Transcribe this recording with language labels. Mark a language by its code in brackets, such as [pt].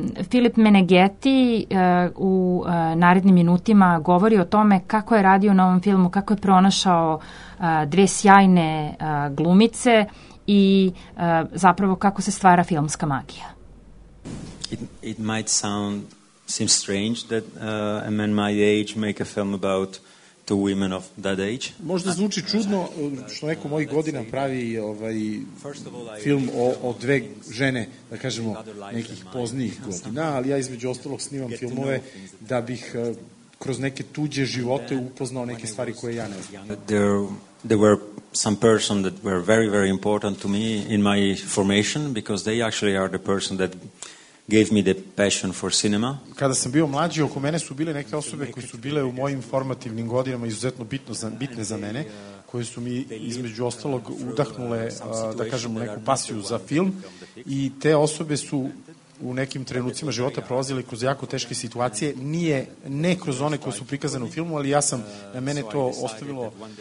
[sr] Filip Menegeti u narednim minutima govori o tome kako je radio na ovom filmu, kako je pronašao dve sjajne glumice i zapravo kako se stvara filmska magija. [en] It might sound seems strange that a man my age make a film about two women of that age. [sr] Možda zvuči čudno što neko mojih godina pravi film o dve žene, da kažemo, nekih poznijih godina, ali ja između ostalog snimam filmove da bih kroz neke tuđe živote upoznao neke stvari koje ja ne znam. [en] There were some person that were very, very important to me in my formation because they actually are the person that gave me the passion for cinema. [sr] Kada sam bio mlađi, oko mene su bile neke osobe koje su bile u mojim formativnim godinama izuzetno bitne za mene, koje su mi između ostalog udahnule, da kažemo, neku pasiju za film i te osobe su u nekim trenucima života prolazili kroz jako teške situacije, ne kroz one koje su prikazane u filmu, ali ja sam, na mene to ostavilo